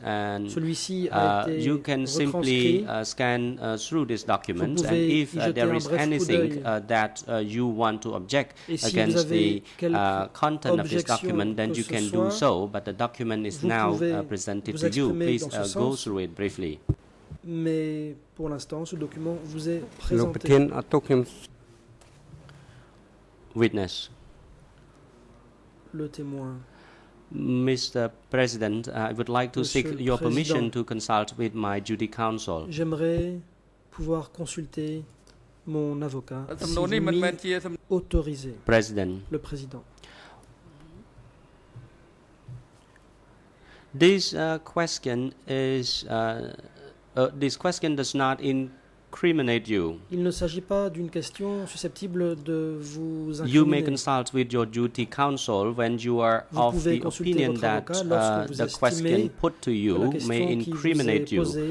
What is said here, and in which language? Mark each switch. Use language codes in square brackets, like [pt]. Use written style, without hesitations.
[en] and you can simply scan through this document. And if there is anything that you want to object against the content of this document, then you can do so. But the document is now presented to you. Please go through it briefly. [fr] Mais pour l'instant, ce document vous est présenté. [en] Witness. [fr] Le témoin. [en] Mr. President, I would like to seek your permission to consult with my duty counsel. [fr] J'aimerais pouvoir consulter mon avocat si vous m'y autorisez. [en] President. [fr] Le président. [en] This question is this question does not in criminate you. [fr] Il ne s'agit pas d'une question susceptible de vous incriminer. [en] You may consult with your duty counsel when you are of the opinion that the question put to you may incriminate you.